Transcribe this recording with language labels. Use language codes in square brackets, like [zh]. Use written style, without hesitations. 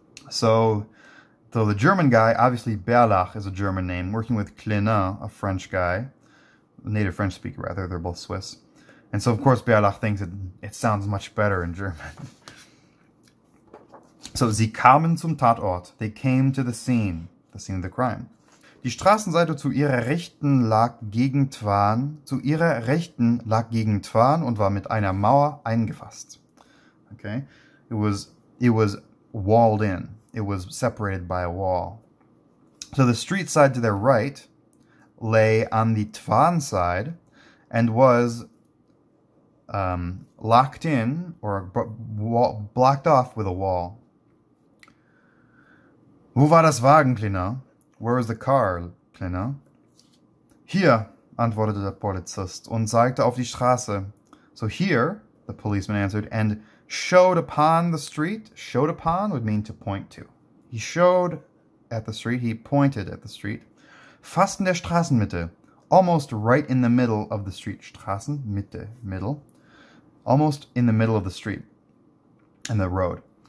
[en] So the German guy, obviously Bärlach is a German name, working with Kleiner, a French guy. Native French speaker, rather. They're both Swiss. And so, of course, Bärlach thinks it sounds much better in German. [de] So, sie kamen zum Tatort. [en] They came to the scene of the crime. [de] Die Straßenseite zu ihrer Rechten lag gegen Twan. Zu ihrer Rechten lag gegen Twan und war mit einer Mauer eingefasst. [en] Okay? It was walled in. It was separated by a wall. So, the street side to their right lay on the Twan side and was locked in or blocked off with a wall. [de] Wo war das Wagen, Kleiner? [en] Where was the car, Kleiner? [de] Hier, antwortete der Polizist und zeigte auf die Straße. [en] So here, the policeman answered, and showed upon the street. Showed upon would mean to point to. He showed at the street, he pointed at the street. [de] Fast in der Straßenmitte, [en] almost right in the middle of the street. Straßenmitte, middle. Almost in the middle of the street and the road.